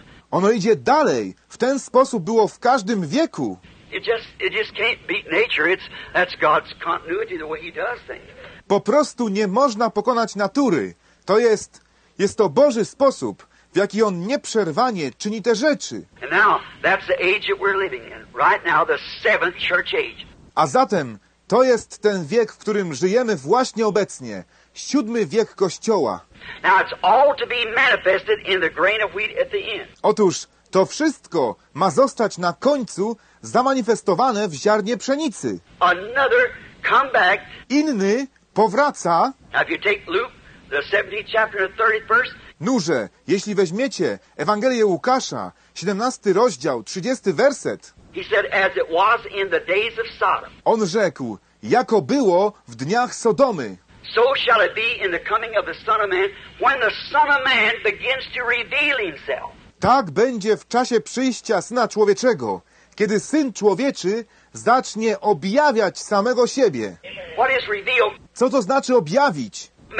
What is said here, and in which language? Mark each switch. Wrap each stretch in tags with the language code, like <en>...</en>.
<pl>Ono idzie dalej. W ten sposób było w każdym wieku.</pl> <en>It just can't beat nature. That's God's continuity, the way he does things.</en> <pl>Po prostu nie można pokonać natury. To jest, jest to Boży sposób, w jaki on nieprzerwanie czyni te rzeczy.</pl> <en>And now, that's the age that we're living in. Right now, the seventh church age.</en> <pl>A zatem, to jest ten wiek, w którym żyjemy właśnie obecnie. Siódmy wiek Kościoła.</pl> <en>Now, it's all to be manifested in the grain of wheat at the end.</en> <pl>Otóż, to wszystko ma zostać na końcu zamanifestowane w ziarnie pszenicy.</pl> <en>Another come back.</en> <pl>Inny powraca.</pl> <en>If you take Luke, the 70th chapter, the 30th verse.</en> <pl>Nurze, jeśli weźmiecie Ewangelię Łukasza, 17 rozdział, 30 werset.</pl> <en>He said, as it was in the days of Sodom.</en> <pl>On rzekł, jako było w dniach Sodomy.</pl> <en>So shall it be in the coming of the Son of Man, when the Son of Man begins to reveal himself.</en> <pl>Tak będzie w czasie przyjścia Syna Człowieczego, kiedy Syn Człowieczy zacznie objawiać samego siebie. Co to znaczy objawić?</pl>